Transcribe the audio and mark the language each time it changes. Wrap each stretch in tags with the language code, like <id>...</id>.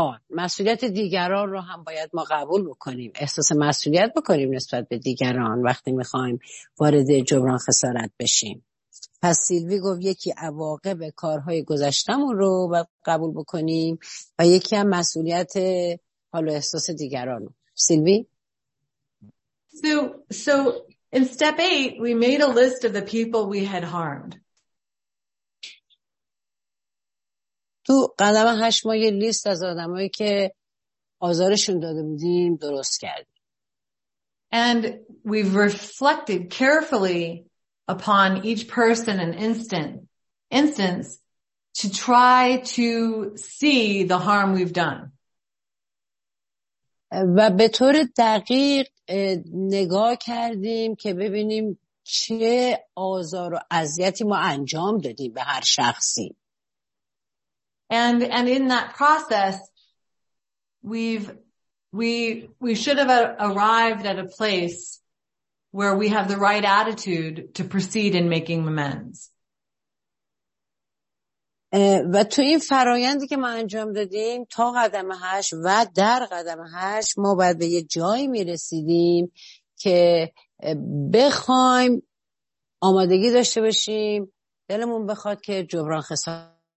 <fa>مسئولیت دیگران رو هم باید ما قبول بکنیم احساس مسئولیت بکنیم نسبت به دیگران وقتی میخوایم وارد جبران خسارت بشیم. پس سیلوی گفت یکی عواقب کارهای گذشتمون رو باید قبول بکنیم و یکی هم مسئولیت حال و احساس دیگران. سیلوی؟</fa> <en>So in step 8 we made a list of the people we had harmed.</en> <fa>تو قدم 8 ما یه لیست از آدمایی که آزارشون داده بودیم درست کردیم.</fa> <en>And we've reflected carefully upon each person and instance to try to see the harm we've done.</en> <fa>و به طور دقیق نگاه کردیم که ببینیم چه آزار و اذیتی ما انجام دادیم به هر شخصی.</fa> <en>And in that process we should have arrived at a place where we have the right attitude to proceed in making amends.</en> <fa>و تو این فرایندی که ما انجام دادیم تا قدم 8 و در قدم 8 ما باید به یه جایی میرسیدیم که بخوایم آمادگی داشته باشیم، دلمون بخواد که جبران خسارت</fa>